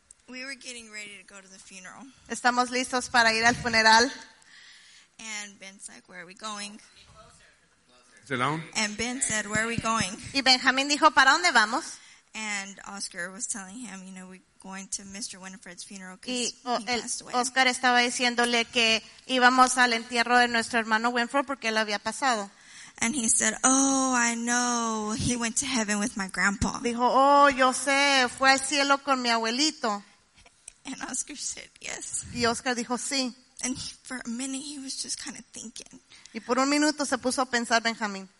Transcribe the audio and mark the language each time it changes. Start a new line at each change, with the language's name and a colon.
English: We were getting ready to go to the funeral.
Spanish: Estamos listos para ir al funeral.
English: And Ben said, where are we going? Is it on? And Ben said, where are we going?
Spanish: Y Benjamín dijo, ¿para dónde vamos?
English: And Oscar was telling him, you know, we're going to Mr. Winifred's funeral because he passed away.
Spanish: Oscar estaba diciéndole que íbamos al entierro de nuestro hermano Winifred porque él había pasado.
English: And he said, oh, I know, he went to heaven with my grandpa.
Spanish: Dijo, oh, yo sé, fue al cielo con mi abuelito.
English: And Oscar said, yes.
Spanish: Y Oscar dijo, sí.
English: And for a minute he was just kind of thinking.
Spanish: Y por un minuto se puso a pensar Benjamín.